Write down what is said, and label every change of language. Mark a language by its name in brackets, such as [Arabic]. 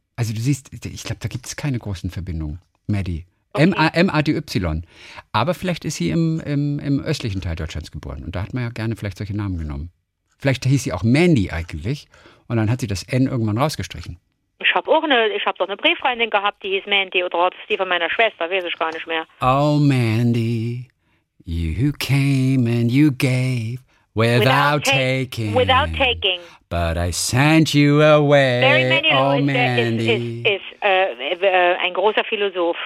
[German] Also du siehst, ich glaube, da gibt es keine großen Verbindungen. Maddie. Okay. M-A-D-Y. Aber vielleicht ist sie im östlichen Teil Deutschlands geboren. Und da hat man ja gerne vielleicht solche Namen genommen. Vielleicht hieß sie auch Mandy eigentlich. Und dann hat sie das N irgendwann rausgestrichen. Ich hab doch eine Brieffreundin gehabt, die hieß Mandy. Oder hat es die von meiner Schwester? Weiß ich gar nicht mehr. [English] Oh, Mandy, you came and you gave without taking. But I sent you away. [German] Barry Manilow ist ein großer Philosoph.